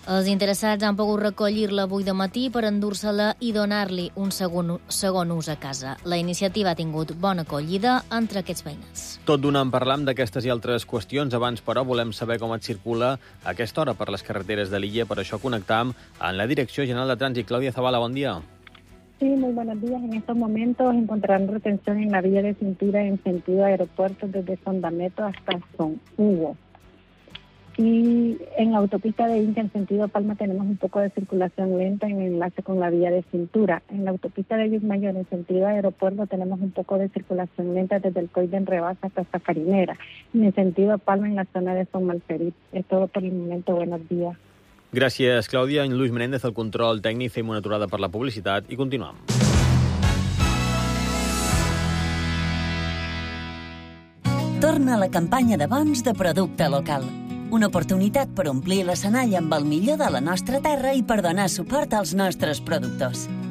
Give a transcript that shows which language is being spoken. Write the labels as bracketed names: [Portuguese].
[Catalan] Els interessats han pogut recollir-la avui de matí per endur-se-la i donar-li un segon ús a casa. La iniciativa ha tingut bona acollida entre aquests veïnats. Tot d'una en parlam d'aquestes i altres qüestions. Abans, però, volem saber com et circula a aquesta hora per les carreteres de l'illa. Per això connectam amb la Direcció General de Trànsit. Clàudia Zavala, bon dia. [Spanish] Sí, muy buenos días. En estos momentos encontrarán retención en la vía de cintura en sentido aeropuerto desde Sondameto hasta San Hugo. Y en la autopista de Inca en sentido Palma tenemos un poco de circulación lenta en enlace con la vía de cintura. En la autopista de Llucmajor en sentido aeropuerto tenemos un poco de circulación lenta desde el Coide en Rebasa hasta Sacarinera. Y en sentido Palma en la zona de San Malferit. Es todo por el momento. Buenos días. [Catalan] Gràcies, Clàudia. En Lluís Menéndez, el control tècnic. Fem una aturada per la publicitat i continuem. Torna la campanya de bons de producte local. Una oportunitat per omplir l'escenall amb el millor de la nostra terra i per donar suport als nostres productors.